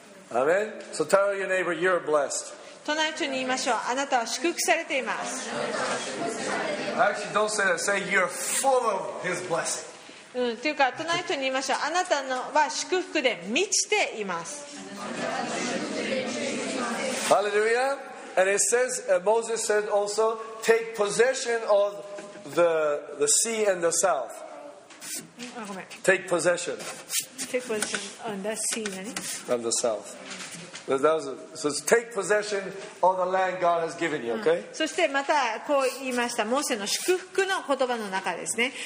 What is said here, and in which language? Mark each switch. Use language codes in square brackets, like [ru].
[en] Amen. So tell your neighbor you're blessed. [ja] 隣の人に言いましょう。あなたは祝福されています。 [en] Actually, don't say that. Say you're full of His blessing. [ja] というか隣の人に言いましょう。あなたのは祝福で満ちています。ハレルヤ。 [en] And it says, Moses said also, take possession of the sea and the south. Take possession. Take possession on the sea and the south. So take possession of the land God has given you, okay? [ja] そしてまたこう言いました。モーセの祝福の言葉の中ですね。